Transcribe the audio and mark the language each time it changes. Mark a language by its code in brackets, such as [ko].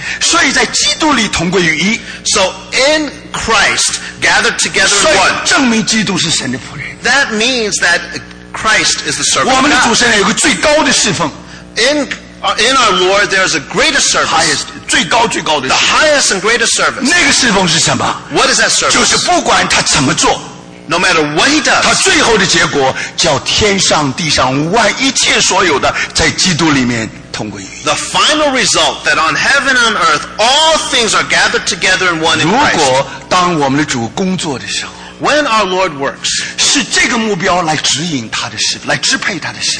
[zh] 所以在基督里同归于一。 [en] So in Christ, gathered together in one. [zh] 所以证明基督是神的仆人。 [en] That means that Christ is the servant. [zh] 我们的主神有个最高的侍奉。 [en] In our Lord, there is a greatest service. [zh] Highest, 最高最高的侍奉。 [en] The highest and greatest service. [zh] 那个侍奉是什么？ [en] What is that service? [zh] 就是不管他怎么做。 [en] No matter what he does, [zh] 他最后的结果叫天上地上万一切所有的在基督里面同归于一。 [en] The final result that on heaven and earth all things are gathered together in one in Christ. [zh] 如果当我们的主工作的时候， [en] when our Lord works, [zh] 是这个目标来指引他的事，来支配他的事。